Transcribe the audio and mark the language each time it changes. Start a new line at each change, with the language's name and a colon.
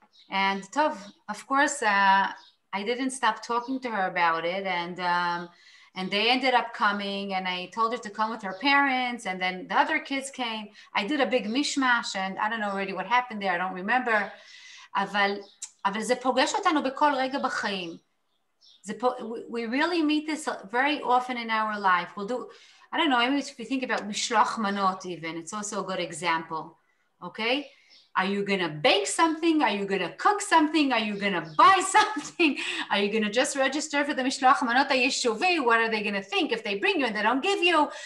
English: And טוב, of course, I didn't stop talking to her about it. And they ended up coming, and I told her to come with her parents, and then the other kids came. I did a big mishmash, and I don't know really what happened there. I don't remember.
Hebrew: אבל זה פוגש אותנו בכל רגע בחיים.
English: We really meet this very often in our life. We'll do... I don't know, I mean, if you think about mishloach manot even, it's also a good example, okay? Are you going to bake something? Are you going to cook something? Are you going to buy something? Are you going to just register for the mishloach manot ha-yeshuvi? What are they going to think if they bring you and they don't give you?